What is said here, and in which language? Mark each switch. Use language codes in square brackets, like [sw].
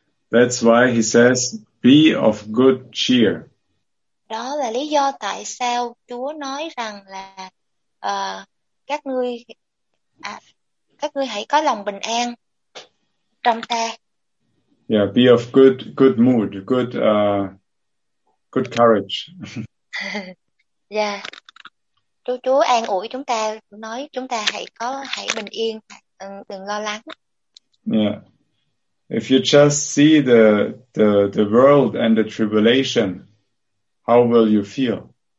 [en] That's why he says, be of good cheer. [vi] Đó là lý do tại sao Chúa nói rằng là các ngươi hãy có lòng bình an trong ta. [en] Yeah, be of good mood, good courage. Yeah. [vi] Chúa an ủi chúng ta, nói chúng ta hãy bình yên, đừng lo lắng. [en] Yeah. If you just see the world and the tribulation, how will you feel?